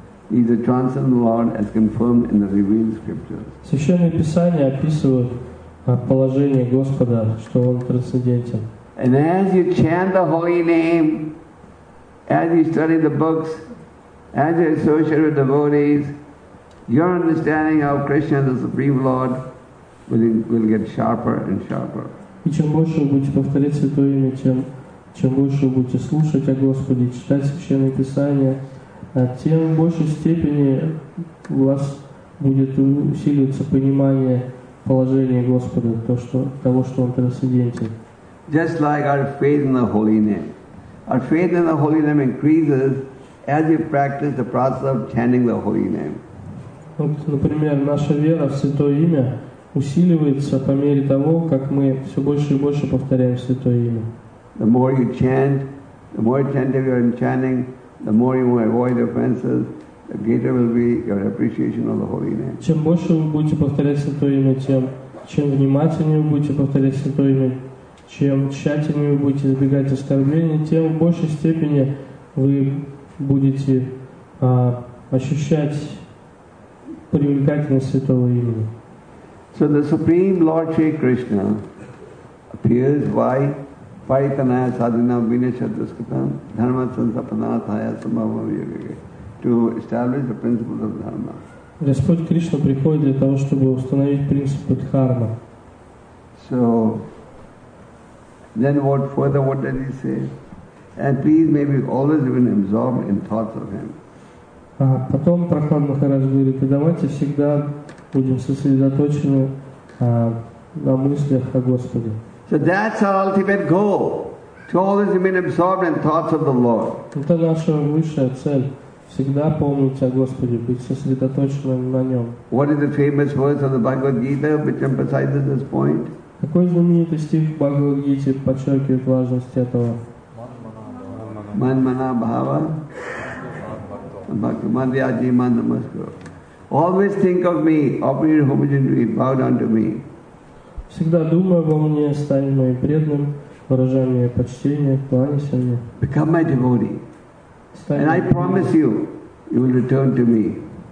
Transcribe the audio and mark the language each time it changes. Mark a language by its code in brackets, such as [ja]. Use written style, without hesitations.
[en] He is a transcendental Lord as confirmed in the revealed scriptures. [ru] Священные писания описывают положение Господа, что Он трансцендентен. [en] And as you chant the holy name, as you study the books, as you associate with devotees, your understanding of Krishna, the Supreme Lord, will get sharper and sharper. [ru] И чем больше вы будете повторять Святое Имя, чем больше вы будете слушать о Господе, читать Священные Писания, тем в большей степени у вас будет усиливаться понимание положения Господа, того, что Он трансцендентен. [en] Just like our faith in the Holy Name. Our faith in the Holy Name increases as you practice the process of chanting the Holy Name. [ru] Например, наша вера в Святое Имя усиливается по мере того, как мы все больше и больше повторяем Святое Имя. [en] The more you chant, the more attentive you are in chanting, the more you avoid offenses, the greater will be your appreciation of the Holy Name. [ru] Чем больше вы будете повторять Святое Имя, тем чем внимательнее вы будете повторять Святое Имя, чем тщательнее вы будете избегать оскорблений, тем в большей степени вы будете ощущать привлекательность Святого Имени. [en] So the Supreme Lord Sri Krishna appears by [sa] Paritanaya Sadhana Vinayashadraskatam Dharma Sansapanathaya Samabhavyavyage [en] to establish the principles of Dharma. [ru] Господь Кришна приходит для того, чтобы установить принципы Дхармы. [en] So, then what further, what does he say? And please may be always even absorbed in thoughts of him. [ru] Потом Прахлад Махарадж говорит, и давайте всегда будем сосредоточены на мыслях о Господе. [en] So that's our ultimate goal, to always remain absorbed in thoughts of the Lord. [ru] Это наша высшая цель, всегда помнить о Господе, быть сосредоточенным на Нем. [en] What is the famous verse of the Bhagavad Gita which emphasizes this point? [ru] Какой знаменитый стих в Бхагавад-гите подчеркивает важность этого? [sa] Manmana Bhava, Madhyaji Mandamaskar. [en] Always think of me, offer homage to me, bow down to me. [ru] Всегда думай обо мне, стань моим преданным, выражай мне почтение, кланяйся мне. [en] Become my devotee. And I promise you, you will return to me.